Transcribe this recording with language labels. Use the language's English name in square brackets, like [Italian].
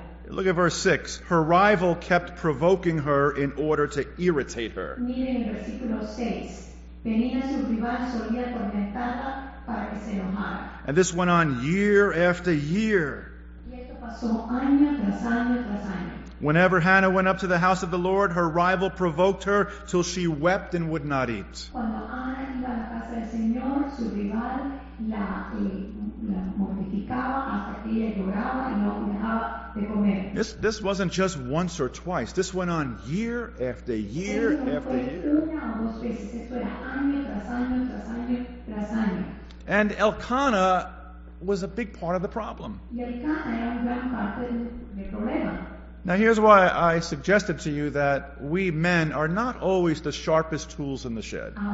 [English] Look at verse 6. Her rival kept provoking her in order to irritate her. [Spanish] Miren el versículo 6. Penina, su rival, solía atormentarla para que se enojara. [English] And this went on year after year. [Spanish] Y esto pasó año tras año tras año. [English] Whenever Hannah went up to the house of the Lord, her rival provoked her till she wept and would not eat. [Spanish] Cuando Ana iba a la casa del Señor, su rival la mortificaba hasta que ella lloraba y no dejaba de comer. [English] This wasn't just once or twice. This went on year after year after year. [Spanish] Una o dos veces. Esto era año tras año tras año tras año. [English] And Elkanah was a big part of the problem. [Spanish] Y Elkanah era una gran parte del problema. [English] Now here's why I suggested to you that we men are not always the sharpest tools in the shed.